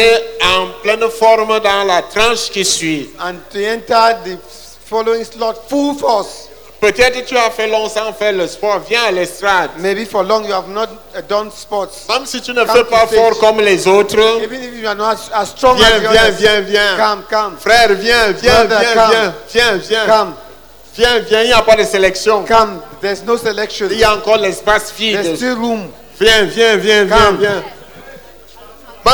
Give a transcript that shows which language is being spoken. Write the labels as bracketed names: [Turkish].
[French] Et pour entrer en pleine forme dans la tranche qui suit. [English] And to enter the following slot full force. [French] Peut-être tu as fait long sans faire le sport. Viens à l'estrade. [English] Maybe for long you have not done sports. [French] Même si tu ne fais pas fort comme les autres. [English] Even if you are not as strong [French] viens, [English] as the [French] viens, [English] others. [French] Viens, viens, viens. [English] Come, come. [French] Frère, viens, viens, Brother, viens, come. Viens, viens, viens, viens. [English] Come. [French] Viens, viens, il n'y a pas de sélection. [English] Come, there's no selection. [French] Il y a encore l'espace vide. [English] There's still room. [French] Viens, viens, viens, come. Viens, viens.